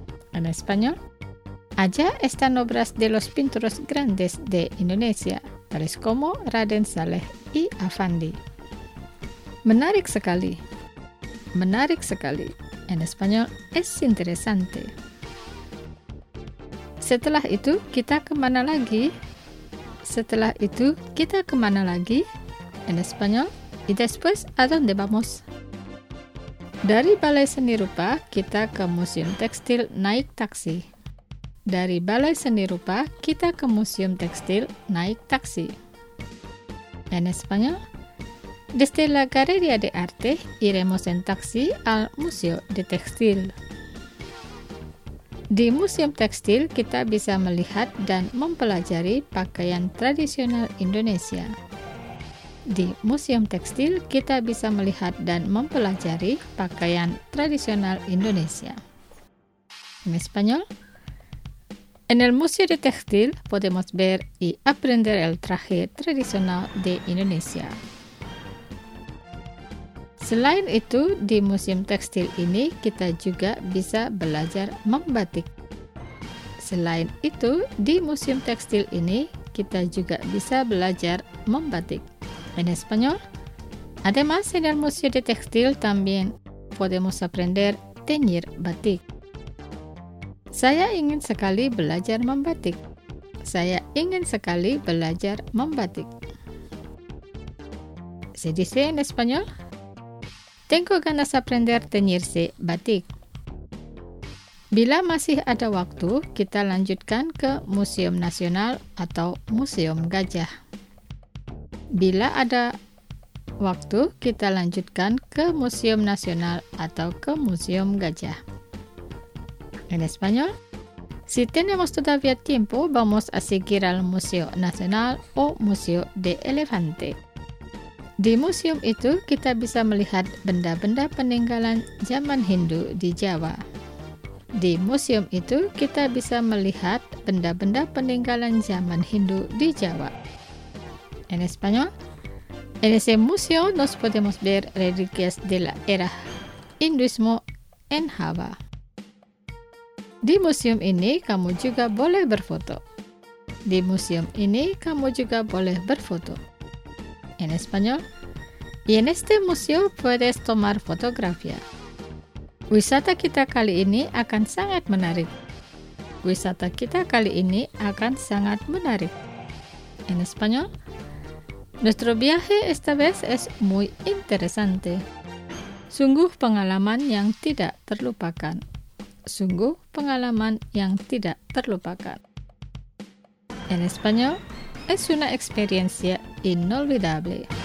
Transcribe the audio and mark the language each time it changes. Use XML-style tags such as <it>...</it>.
<es>En español, allá están obras de los pintores grandes de Indonesia, tales como Raden Saleh y Afandi.</es> <id>Menarik sekali. Menarik sekali.</id> <es>En español, es interesante.</es> <id>Setelah itu, kita kemana lagi? Setelah itu, kita kemana lagi?</id> <es>En español, y después, ¿a dónde vamos?</es> <id>Dari Balai Seni Rupa, kita ke Museum Tekstil naik taksi. Dari Balai Seni Rupa, kita ke Museum Tekstil naik taksi.</id> <es>En español, desde la Galería de Arte, iremos en taxi al Museo de Textil.</es> <id>Di Museum Tekstil, kita bisa melihat dan mempelajari pakaian tradisional Indonesia. Di Museum Tekstil, kita bisa melihat dan mempelajari pakaian tradisional Indonesia.</id> <es>En español, en el Museo de Textil podemos ver y aprender el traje tradicional de Indonesia.</es> <id>Selain itu, di Museum Tekstil ini kita juga bisa belajar membatik. Selain itu, di Museum Tekstil ini kita juga bisa belajar membatik.</id> <es>En español, además en el Museo de Textil también podemos aprender teñir batik.</es> <id>Saya ingin sekali belajar membatik. Saya ingin sekali belajar membatik.</id> <es>¿Se dice en español? Tengo ganas aprender teñirse batik.</es> <id>Bila masih ada waktu, kita lanjutkan ke Museum Nasional atau Museum Gajah. Bila ada waktu, kita lanjutkan ke Museum Nasional atau ke Museum Gajah.</id> <es>En español, si tenemos todavía tiempo, vamos a seguir al Museo Nacional o Museo de Elefante.</es> <id>Di museum itu, kita bisa melihat benda-benda peninggalan zaman Hindu di Jawa. Di museum itu, kita bisa melihat benda-benda peninggalan zaman Hindu di Jawa.</id> <es>En español, en ese museo nos podemos ver reliquias de la era hinduismo en Java.</es> <id>Di museum ini, kamu juga boleh berfoto. Di museum ini, kamu juga boleh berfoto.</id> <es>En español, y en este museo puedes tomar fotografía.</es> <id>Wisata kita kali ini akan sangat menarik. Wisata kita kali ini akan sangat menarik.</id> <es>En español, nuestro viaje esta vez es muy interesante.</es> <id>Sungguh pengalaman yang tidak terlupakan. Sungguh pengalaman yang tidak terlupakan.</id> <es>En español, es una experiencia inolvidable.</es>